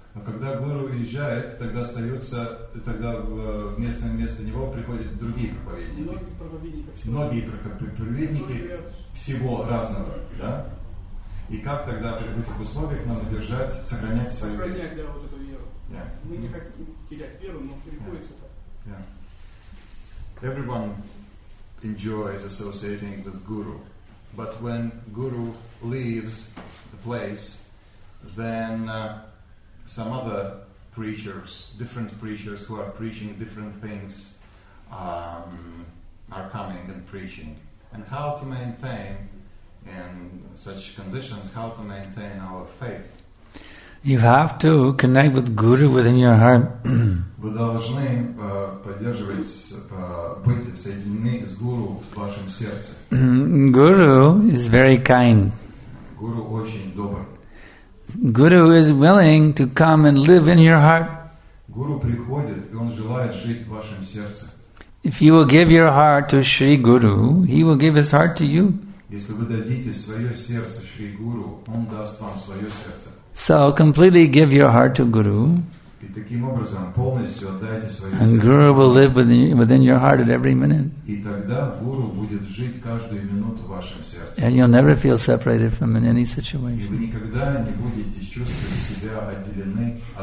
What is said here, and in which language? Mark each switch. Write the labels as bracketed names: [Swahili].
[Russian] Но когда гуру уезжает, тогда вместо него приходят другие проповедники. Многие проповедники. Многие проповедники всего разного. Да? И как тогда при этих условиях нам удержать, сохранять свою веру? Сохранять, да, вот эту веру. [English] Yeah. [Russian] Мы не хотим терять веру, но приходится так. [English] Yeah. Everyone enjoys associating with guru, but when guru leaves the place, then some other preachers, different preachers who are preaching different things, are coming and preaching. And how to maintain in such conditions, how to maintain our faith? You have to connect with Guru within your heart. [Russian] Вы должны быть соединены с Гуру в вашем сердце. [English] Guru is very kind. [Russian] Guru очень добр. [English] Guru is willing to come and live in your heart. [Russian] Guru приходит, и он желает жить в вашем сердце. [English] If you will give your heart to Sri Guru, he will give his heart to you. [Russian] Если вы дадите свое сердце Шри Гуру, он даст вам свое сердце. [English] So completely give your heart to Guru, and Guru will live within your heart at every minute. And you'll never feel separated from in any situation.